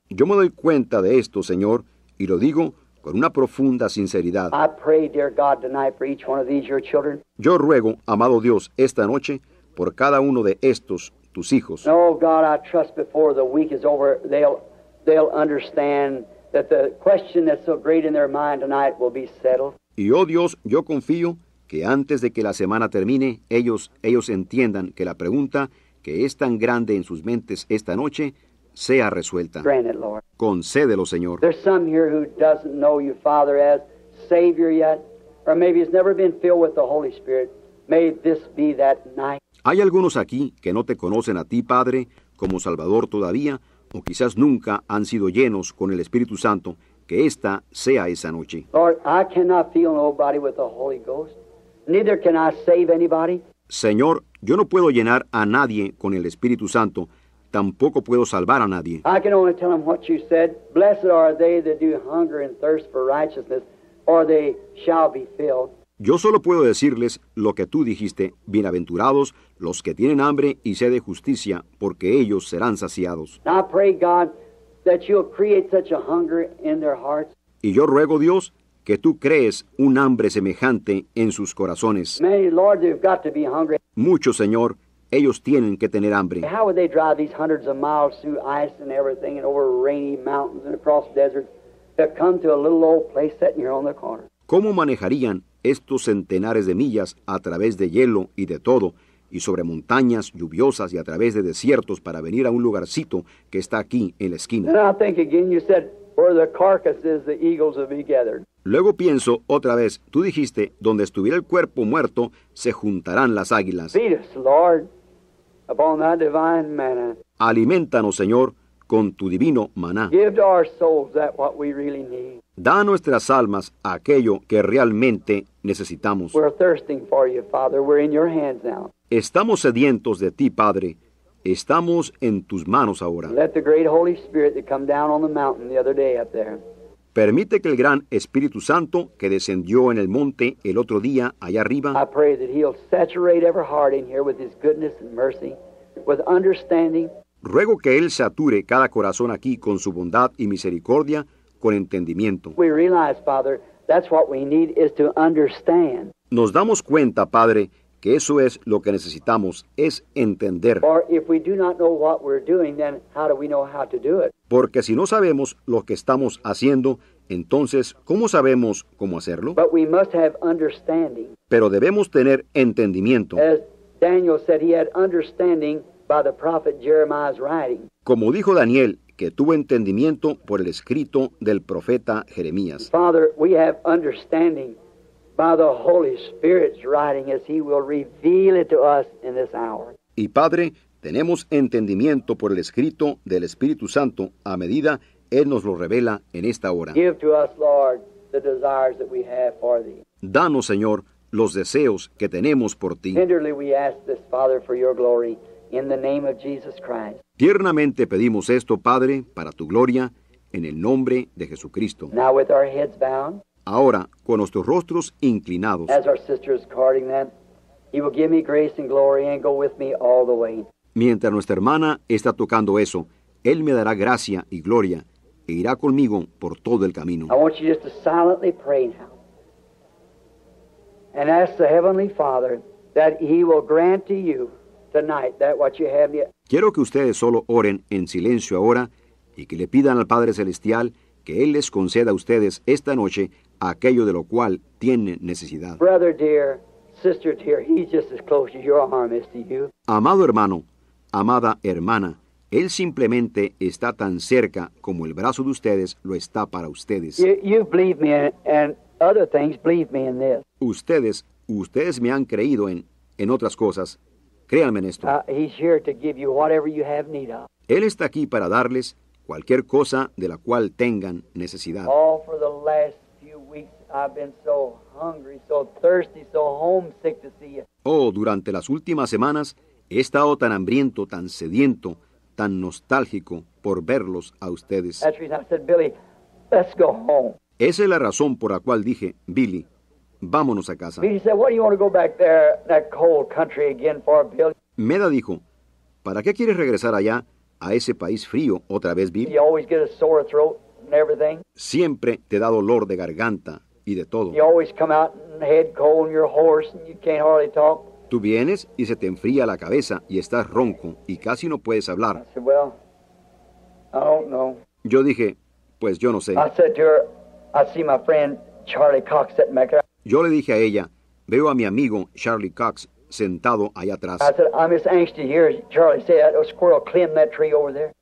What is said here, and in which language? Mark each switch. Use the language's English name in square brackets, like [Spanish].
[Spanish] Yo me doy cuenta de esto, Señor, y lo digo con una profunda sinceridad. [English] I pray, dear God, tonight for each one of these, your children. [Spanish] Yo ruego, amado Dios, esta noche, por cada uno de estos, tus hijos. [English] Oh, God, I trust before the week is over, they'll understand that the question that's so great in their mind tonight will be settled. [Spanish] Y Dios, yo confío que antes de que la semana termine, ellos entiendan que la pregunta que es tan grande en sus mentes esta noche sea resuelta. [English] Grant it, Lord. [Spanish] Concédelo, Señor. [English] There's some here who doesn't know you, Father, as Savior yet, or maybe has never been filled with the Holy Spirit. May this be that night. [Spanish] Hay algunos aquí que no te conocen a ti, Padre, como Salvador todavía, o quizás nunca han sido llenos con el Espíritu Santo. Que esta sea esa noche. [English] Lord, I cannot fill nobody with the Holy Ghost. Neither can I save anybody. [Spanish] Señor, yo no puedo llenar a nadie con el Espíritu Santo. Tampoco puedo salvar a nadie. [English] I can only tell them what you said. Blessed are they that do hunger and thirst for righteousness, or they shall be filled. [Spanish] Yo solo puedo decirles lo que tú dijiste: bienaventurados los que tienen hambre y sed de justicia, porque ellos serán saciados. [English] I pray God that you'll create such a hunger in their hearts. [Spanish] Y yo ruego, Dios, que tú crees un hambre semejante en sus corazones. [English] Many, Lord, they've got to be hungry. [Spanish] Mucho, Señor, ellos tienen que tener hambre. [English] How would they drive these hundreds of miles through ice and everything and over rainy mountains and across deserts to come to a little old place sitting here on the corner? [Spanish] ¿Cómo manejarían estos centenares de millas a través de hielo y de todo, y sobre montañas lluviosas y a través de desiertos para venir a un lugarcito que está aquí en la esquina? [English] And I think again, you said, where the carcasses, the eagles will be gathered. [Spanish] Luego pienso otra vez, tú dijiste, donde estuviera el cuerpo muerto, se juntarán las águilas. [English] Feed us, Lord, upon thy divine manna. [Spanish] Aliméntanos, Señor, con tu divino maná. [English] Give to our souls that what we really need. [Spanish] Da a nuestras almas aquello que realmente necesitamos. [English] We're thirsting for you, Father. We're in your hands now. [Spanish] Estamos sedientos de ti, Padre. Estamos en tus manos ahora. [English] Let the great Holy Spirit that come down on the mountain the other day up there. [Spanish] Permite que el gran Espíritu Santo que descendió en el monte el otro día allá arriba. [English] I pray that he'll saturate every heart in here with his goodness and mercy, with understanding. [Spanish] Ruego que él sature cada corazón aquí con su bondad y misericordia, con entendimiento. [English] We realize, Father, that's what we need is to understand. [Spanish] Nos damos cuenta, Padre, que eso es lo que necesitamos, es entender. [English] Or if we do not know what we're doing, then how do we know how to do it? [Spanish] Porque si no sabemos lo que estamos haciendo, entonces, ¿cómo sabemos cómo hacerlo? [English] But we must have understanding. [Spanish] Pero debemos tener entendimiento. [English] As Daniel said, he had understanding by the prophet Jeremiah's writing. [Spanish] Como dijo Daniel, que tuvo entendimiento por el escrito del profeta Jeremías. [English] Father, we have understanding by the Holy Spirit's writing as he will reveal it to us in this hour. [Spanish] Y Padre, tenemos entendimiento por el escrito del Espíritu Santo a medida él nos lo revela en esta hora. [English] Give to us, Lord, the desires that we have for thee. [Spanish] Danos, Señor, los deseos que tenemos por ti. [English] Tenderly we ask this, Father, for your glory. In the name of Jesus Christ. [Spanish] Tiernamente pedimos esto, Padre, para tu gloria, en el nombre de Jesucristo. [English] Now with our heads bound. [Spanish] Ahora, con nuestros rostros inclinados. [English] As our sister is carding them, he will give me grace and glory and go with me all the way. [Spanish] Mientras nuestra hermana está tocando eso, él me dará gracia y gloria e irá conmigo por todo el camino. [English] I want you just to silently pray now. And ask the Heavenly Father that he will grant to you tonight, that what you have yet. [Spanish] Quiero que ustedes solo oren en silencio ahora y que le pidan al Padre Celestial que él les conceda a ustedes esta noche aquello de lo cual tienen necesidad. [English] Brother dear, sister dear, he's just as close as your arm is to you. [Spanish] Amado hermano, amada hermana, él simplemente está tan cerca como el brazo de ustedes lo está para ustedes. [English] You believe me and other things believe me in this. [Spanish] Ustedes me han creído en otras cosas. Créanme en esto. [English] He's here to give you whatever you have need of. [Spanish] Él está aquí para darles cualquier cosa de la cual tengan necesidad. [English] All for the last few weeks I've been so hungry, so thirsty, so homesick to see you. [Spanish] Oh, durante las últimas semanas he estado tan hambriento, tan sediento, tan nostálgico por verlos a ustedes. [English] That's the reason I said, Billy, let's go home. [Spanish] Esa es la razón por la cual dije, Billy, vámonos a casa. [English] Billy said, what do you want to go back there, that cold country again for, Billy? [Spanish] Meda dijo, ¿para qué quieres regresar allá, a ese país frío, otra vez, Billy? [English] You always get a sore throat and everything. [Spanish] Siempre te da dolor de garganta y de todo. [English] You always come out and head cold and you're hoarse and you can't hardly talk. [Spanish] Tú vienes y se te enfría la cabeza y estás ronco y casi no puedes hablar. [English] I said, well, I don't know. [Spanish] Yo dije, pues yo no sé. [English] I said to her, I see my friend Charlie Cox sitting back there. [Spanish] Yo le dije a ella, veo a mi amigo Charlie Cox sentado allá atrás. [English] I said, I'm just anxious to hear Charlie say that a squirrel climbed that tree over there.